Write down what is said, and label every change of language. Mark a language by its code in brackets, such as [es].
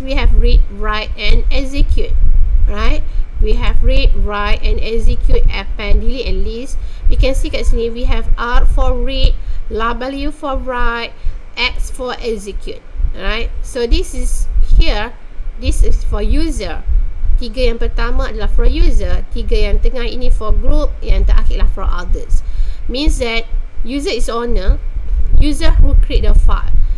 [en] We have read, write, and execute, right? We have read, write, and execute, append, delete, and list. You can see [ms] kat sini, [en] we have R for read, W for write, X for execute. Alright, so this is here, this is for user. [ms] Tiga yang pertama adalah for user, tiga yang tengah ini for group, yang terakhir lah for others. [en] Means that user is owner, user who create the file.